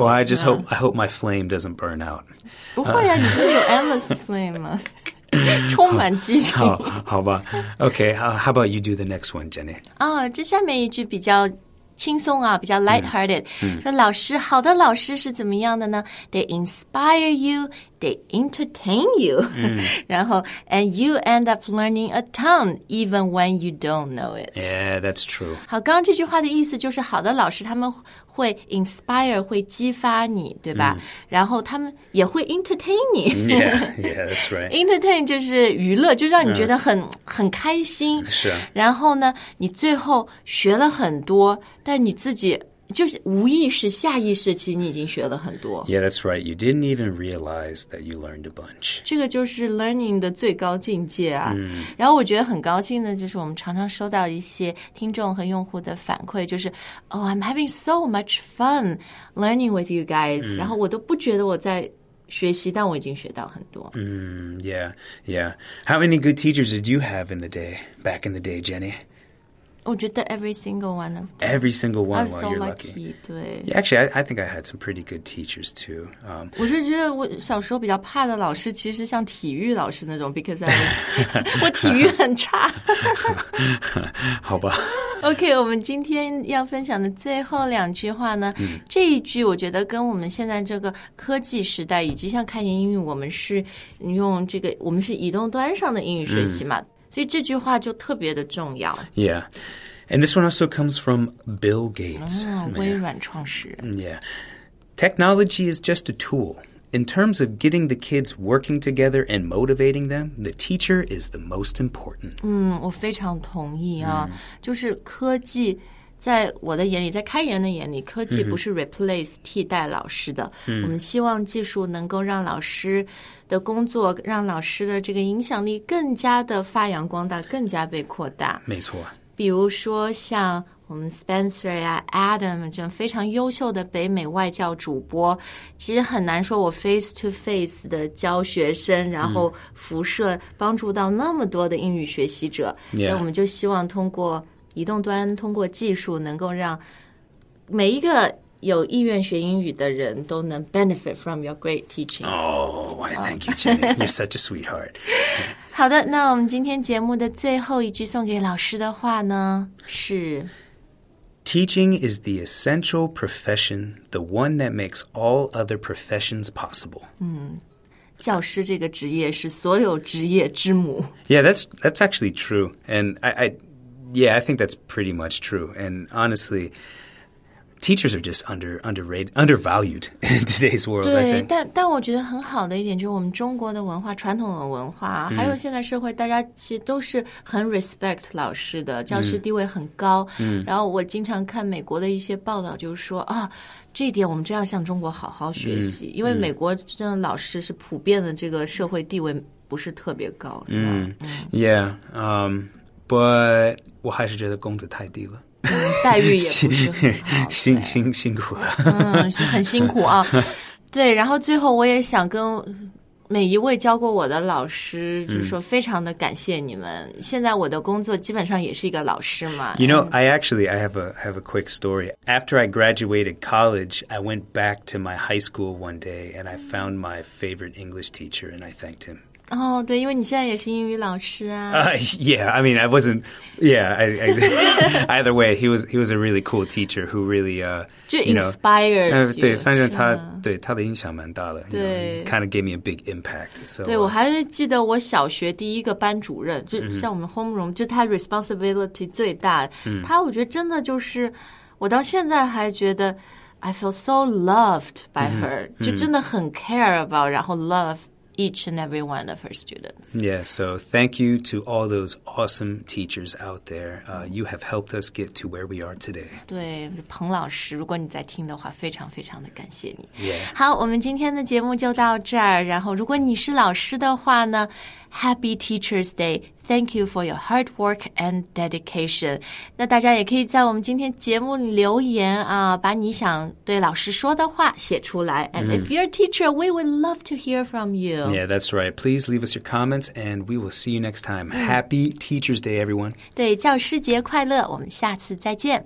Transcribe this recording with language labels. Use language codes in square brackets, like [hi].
[en] Well, I hope my flame doesn't burn out. [zh] 不会啊，你不是有 [en] endless flame [zh] 吗？充满激情。好吧。 [en] Okay, how about you do the next one, Jenny? [zh] 这下面一句比较轻松啊，比较 lighthearted. 说老师，好的老师是怎么样的呢？ [en] They inspire you, they entertain you. [zh] 然后 [en] and you end up learning a ton even when you don't know it. Yeah, that's true. [zh] 好，刚刚这句话的意思就是好的老师他们会 inspire, 会激发你，对吧？然后他们也会 entertain 你。 [en] Yeah, that's right. [zh] Entertain 就是娱乐，就让你觉得很开心。是啊。然后呢，你最后学了很多，但你自己就是无意识、下意识，其实你已经学了很多。 [en] Yeah, that's right. You didn't even realize that you learned a bunch. [zh] 这个就是 learning 的最高境界啊。然后我觉得很高兴的就是我们常常收到一些听众和用户的反馈，就是 [en] Oh, I'm having so much fun learning with you guys. [zh] 然后我都不觉得我在学习，但我已经学到很多。 [en] Yeah. How many good teachers did you have in the day, back in the day, Jenny? [zh] 我觉得 [en] every single one of them. Every single one, while、 so、 you're lucky. [zh] 对。 [en] Yeah, actually, I think I had some pretty good teachers, too. [zh] 我是觉得我小时候比较怕的老师其实像体育老师那种 [en] because I was, [zh] 我体育很差。好吧。 OK, 我们今天要分享的最后两句话呢、这一句我觉得跟我们现在这个科技时代以及像开言英语我们是用这个我们是移动端上的英语学习嘛。所以这句话就特别的重要。 [en] Yeah. And this one also comes from Bill Gates. [zh] 微软创始人。 [en] Yeah. Technology is just a tool. in terms of getting the kids working together and motivating them, the teacher is the most important. [zh] 我非常同意啊。就是科技在我的眼里，在开言的眼里，科技不是 replace 替代老师的。我们希望技术能够让老师的工作，让老师的这个影响力更加的发扬光大，更加被扩大。没错。比如说像我们 Spencer 呀 Adam 这非常优秀的北美外教主播，其实很难说我 [en] face to face [zh] 的教学生，然后辐射帮助到那么多的英语学习者。那我们就希望通过移动端，通过技术，能够让每一个有意愿学英语的人都能 [en] benefit from your great teaching. Oh, why thank you, Jenny. You're such a sweetheart. [zh] 好的，那我们今天节目的最后一句送给老师的话呢，是 [en] Teaching is the essential profession, the one that makes all other professions possible. [zh] 教师这个职业是所有职业之母。 [en] Yeah, that's actually true. And yeah, I think that's pretty much true. And honestly, teachers are just undervalued in today's world, [zh] 对, [en] I think. [zh] 但我觉得很好的一点就是我们中国的文化，传统的文化，还有现在社会，大家其实都是很 respect 老师的，教师地位很高。然后我经常看美国的一些报道，就是说啊，这一点我们真要向中国好好学习，因为美国真的老师是普遍的这个社会地位不是特别高，是吧？ [en] Yeah, But [zh] 我还是觉得工资太低了。待遇也不是很好。辛苦了。很辛苦啊。对，然后最后我也想跟每一位教过我的老师就是说非常的感谢你们。现在我的工作基本上也是一个老师嘛。 [en] You know, I have a quick story. After I graduated college, I went back to my high school one day and I found my favorite English teacher and I thanked him. [zh] 哦、 [en] oh, [zh] 对，因为你现在也是英语老师啊。 [en] Yeah, I mean, I wasn't, yeah, either way, he was a really cool teacher who really, inspired you. [zh] 对，反正他、啊、对他的影响蛮大的。对 [en] you know, kind of gave me a big impact. So, [zh] 对，我还是记得我小学第一个班主任，就像我们 homeroom, 就他 responsibility 最大。他我觉得真的就是我到现在还觉得 [en] I feel so loved by her, [zh] 就真的很 [en] care about, [zh] 然后 [en] love,each and every one of her students. Yeah, so thank you to all those awesome teachers out there. You have helped us get to where we are today. [zh] 对，彭老师，如果你在听的话，非常非常的感谢你。 [en] Yeah. [zh] 好，我们今天的节目就到这儿。然后如果你是老师的话呢 , [en] Happy Teacher's Day. Thank you for your hard work and dedication. [zh] 那大家也可以在我们今天节目留言啊，把你想对老师说的话写出来。 [en] And if you're a teacher, we would love to hear from you. Yeah, that's right. Please leave us your comments and we will see you next time. Happy Teacher's Day, everyone. [zh] 对，教师节快乐，我们下次再见。